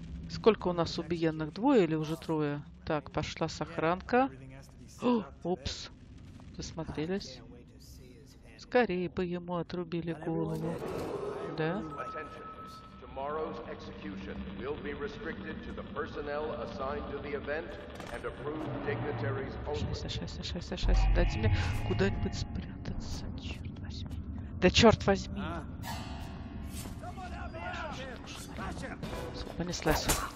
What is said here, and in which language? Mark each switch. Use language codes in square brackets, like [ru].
[ru] Сколько у нас убиенных? Двое или уже трое? Так, пошла сохранка. О, упс. Засмотрелись. Скорее бы ему отрубили голову. Да? [en] Tomorrow's execution will be restricted to the personnel assigned to the event and approved dignitaries only. [ru] Сейчас. Дайте мне куда-нибудь спрятаться. Черт возьми. Да черт возьми. Понеслась.